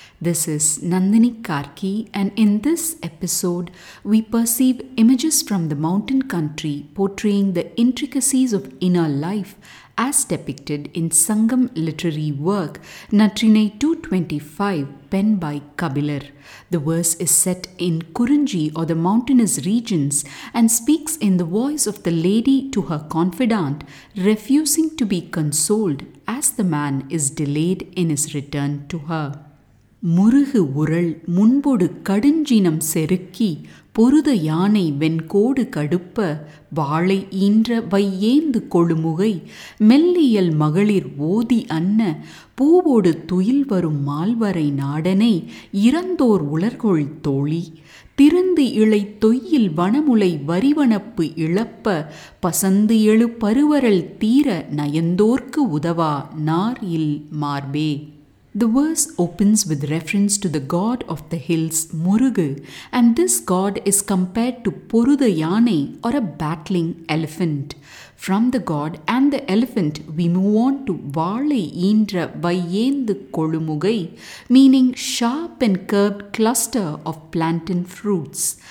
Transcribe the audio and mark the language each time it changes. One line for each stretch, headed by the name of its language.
English: This is Nandini Karki, and in this episode, we perceive images from the mountain country portraying the intricacies of inner life as depicted in Sangam literary work Natrinai 225, penned by Kabilar. The verse is set in Kurinji or the mountainous regions and speaks in the voice of the lady to her confidante, refusing to be consoled as the man is delayed in his return to her.
Tamil: முருகு உரல் முன்போடு கடுஞ்சினம் செருக்கி பொருத யானை வெண்கோடு கடுப்ப வாழை ஈன்ற வையேந்து கொழுமுகை மெல்லியல் மகளிர் ஓதி அன்ன பூவோடு துயில் வரும் மால்வரை நாடனை இறந்தோர் உலர்கொள் தோழி திருந்து இளை தொய்யில் வனமுலை வரிவனப்பு இழப்ப பசந்து எழு பருவரல் தீர நயந்தோர்க்கு உதவா நார் இல் மார்பே.
English: The verse opens with reference to the god of the hills, Murugu, and this god is compared to Purudha Yane or a battling elephant. From the god and the elephant, we move on to Vaalai Eendra Vaiyendu Kolumugai, meaning sharp and curved cluster of plantain fruits.